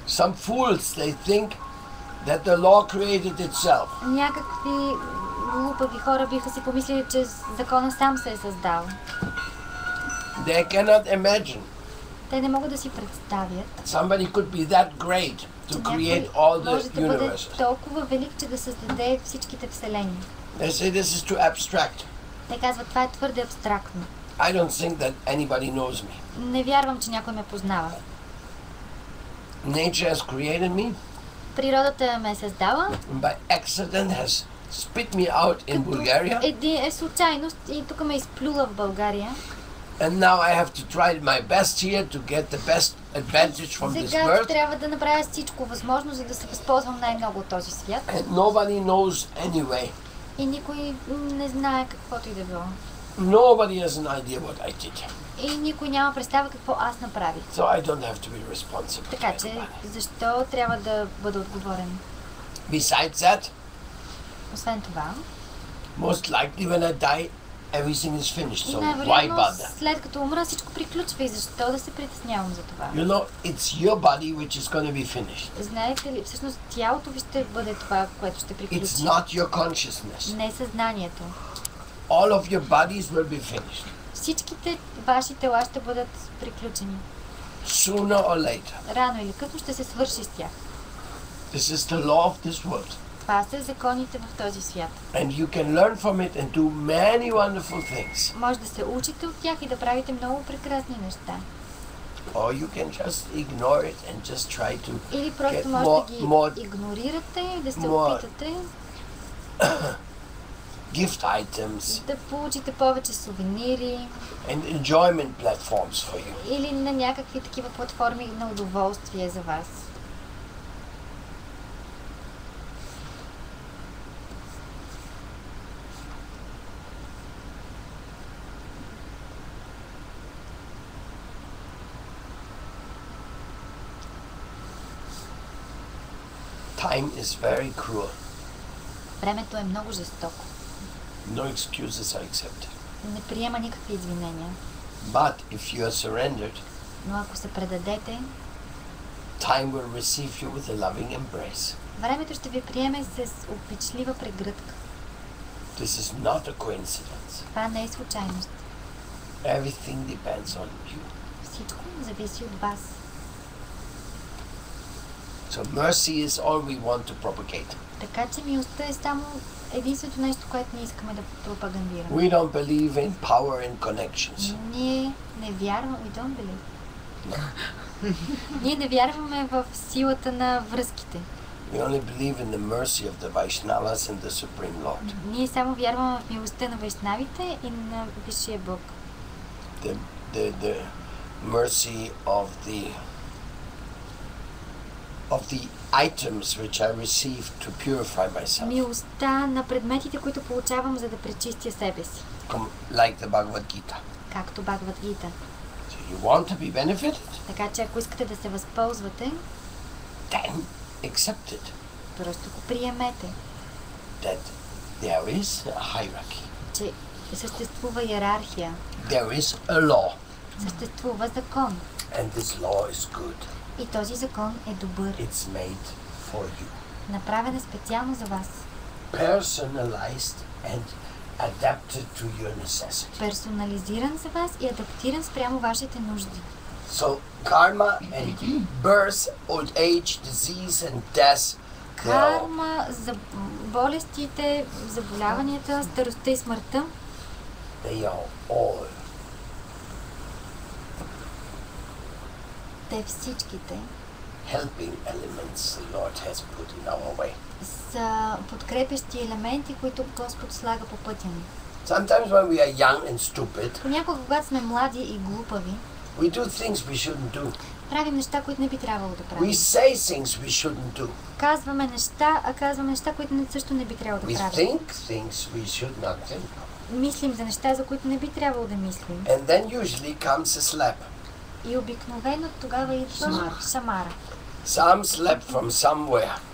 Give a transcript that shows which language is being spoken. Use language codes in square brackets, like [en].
[en] Some fools, they think that the law created itself. [bg] Някакви глупави хора биха си помислили, че законът сам се е създал. [en] They cannot imagine. [bg] Те не могат да си представят. [en] Somebody could be that great to create all the universes. [bg] Може да бъде толкова велик, че да създаде всичките вселени. [en] They say this is too abstract. [bg] Те казват, това е твърде абстрактно. [en] I don't think that anybody knows me. [bg] Не вярвам, че някой ме познава. [en] Nature has created me. [bg] Природата ме е създала. [en] By accident has spit me out in Bulgaria. [bg] Е случайност и тук ме изплюла в България. [en] And now I have to try my best here to get the best advantage from this world. [bg] Сега трябва да направя всичко възможно, за да се възползвам най-много от този свят. [en] And nobody knows anyway. [bg] И никой не знае каквото и да било. [en] Nobody has an idea what I did. [bg] И никой няма представа какво аз направих. [en] So I don't have to be responsible. [bg] Така че защо трябва да бъда отговорен? [en] Besides that, [bg] освен това, [en] most likely when I die, everything is finished. So why bother? [bg] След като умра, всичко приключва и защо да се притеснявам за това? [en] You know, it's your body which is going to be finished. [bg] Знаете ли, всъщност тялото ви ще бъде това, което ще приключи. [en] It's not your consciousness. [bg] Не съзнанието. [en] All of your bodies will be finished. [bg] Всичките ваши тела ще бъдат приключени. [en] Sooner or later. [bg] Рано или късно ще се свърши с тях. [en] This is the law of this world. [bg] Това са законите в този свят. [en] And you can learn from it and do many wonderful things. [bg] Може да се учите от тях и да правите много прекрасни неща. [en] Or you can just ignore it and just try to get more. [bg] Или просто може да ги игнорирате и да се опитате. [en] Gift items. [bg] Да получите повече сувенири. [en] And enjoyment platforms for you. [bg] Или на някакви такива платформи на удоволствие за вас. [en] Time is very cruel. [bg] Времето е много жестоко. [en] No excuses are accepted. [bg] Не приема никакви извинения. [en] But if you are surrendered, [bg] но ако се предадете, [en] time will receive you with a loving embrace. [bg] Времето ще ви приеме с обичлива прегръдка. [en] This is not a coincidence. [bg] Това не е случайност. [en] Everything depends on you. [bg] Всичко зависи от вас. [en] So mercy is all we want to propagate. [bg] Така че милостта е само единственото нещо, което ние искаме да пропагандираме. [en] We don't believe in power and connections. [bg] Ние не вярваме, [en] we don't believe. [bg] Ние не вярваме в силата на връзките. [en] We only believe in the mercy of the Vaishnavas and the Supreme Lord. [bg] Ние само вярваме в милостта на Вайшнавите и на Висшия Бог. [en] The mercy of the items which I receive to purify myself. [bg] Милостта на предметите, които получавам, за да пречистя себе си. [en] Like the Bhagavad Gita. [bg] Както Бхагавад Гита. [en] So you want to be benefited? [bg] Така че ако искате да се възползвате, [en] then accept it. [bg] Просто го приемете. [en] That there is a hierarchy. [bg] Че съществува йерархия. [en] There is a law. [bg] Съществува закон. [en] And this law is good. [bg] И този закон е добър. [en] It's made for you. [bg] Направен е специално за вас. [en] Personalized and adapted to your necessity. [bg] Персонализиран за вас и адаптиран спрямо вашите нужди. [en] So karma and birth, old age, disease and death. [bg] Карма за болестите, заболяванията, старостта и смъртта. [en] They are all. [bg] Те всичките. [en] Helping elements the Lord has put in our way. [bg] Са подкрепящи елементи, които Господ слага по пътя ни. [en] Sometimes when we are young and stupid. [bg] Понякога, когато сме млади и глупави. [en] We do things we shouldn't do. [bg] Правим неща, които не би трябвало да правим. [en] We say things we shouldn't do. [bg] Казваме неща, а казваме неща, които също не би трябвало да правим. [en] We think things we should not think. [bg] Мислим за неща, за които не би трябвало да мислим. [en] And then usually comes a slap. [bg] И обикновено тогава идва шамара. [en] Some slap from somewhere.